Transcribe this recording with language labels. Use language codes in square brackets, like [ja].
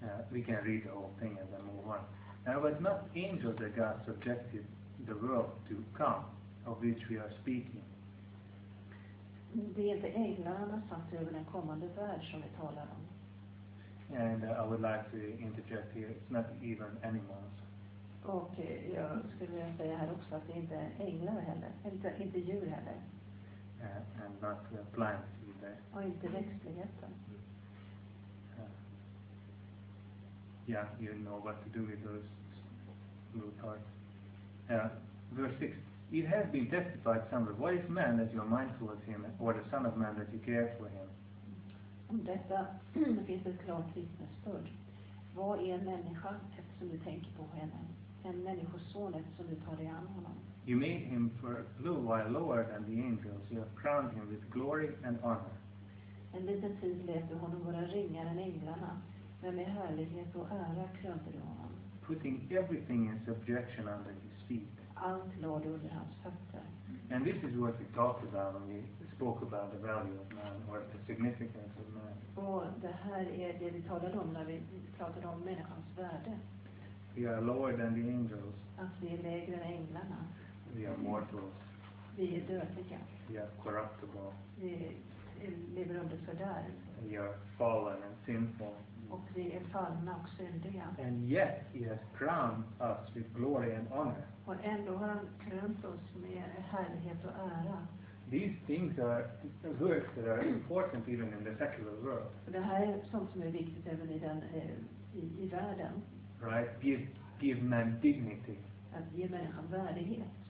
[en] We can read the whole thing and then move on. Now it was not angels that God subjected the world to come, of which we are speaking. [sv] Det är inte änglar han har satt över den kommande värld som vi talar om. [en] And I would like to interject here, it's not even animals. [sv] Och jag skulle vilja säga här också att det inte är änglar heller, inte djur heller. [en] And not plants either. [sv] Och inte växtligheten. [en] Yeah, you know what to do with those little parts. Verse 6. It has been testified somewhere. What is man that you are mindful of him, or the son of man that you care for him? [sv] Om detta finns ett klart vittnesbörd. Vad är en människa eftersom du tänker på henne? En människoson eftersom du tar dig an honom? [en] You made him for a little while lower than the angels. You have crowned him with glory and honor. [sv] En liten tid lät du honom vara ringare än änglarna. Men med härlighet och ära krönte du honom. [en] Putting everything in subjection under his feet. [sv] Allt lade under hans fötter. [en] And this is what we talked about when we spoke about the value of man or the significance of man. [sv] Och det här är det vi talade om när vi pratade om människans värde. [en] We are lower than the angels. [sv] Att vi är lägre än änglarna. [en] We are mortals. [sv] Vi är dödliga. [en] We are corruptible. [sv] Vi lever under fördärv. [en] We are fallen and sinful. [sv] Och vi är fallna och syndiga. [en] And yet he has crowned us with glory and honor. [sv] Och ändå har han krönt oss med härlighet och ära. [en] These things are works that are important even in the secular world. [sv] Och det här är sånt som är viktigt även i den i världen. [en] Right? Give man dignity. [sv] Att ge människan värdighet.